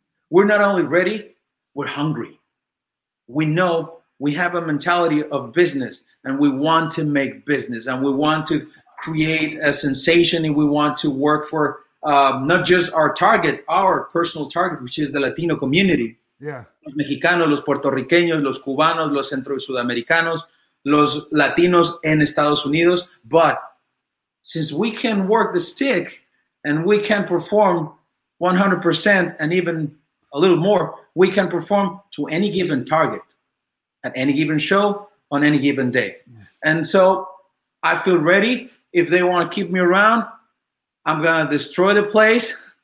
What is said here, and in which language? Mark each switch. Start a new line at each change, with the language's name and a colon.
English: We're not only ready, we're hungry. We know we have a mentality of business, and we want to make business, and we want to create a sensation, and we want to work for not just our target, our personal target, which is the Latino community. Yeah.
Spanish: Los Mexicanos, los Puertorriqueños, los Cubanos, los Centro y Sudamericanos, los Latinos en Estados Unidos.
English: But since we can work the stick and we can perform 100% and even a little more, we can perform to any given target at any given show on any given day. Yeah. And so I feel ready. If they want to keep me around, I'm going to destroy the place.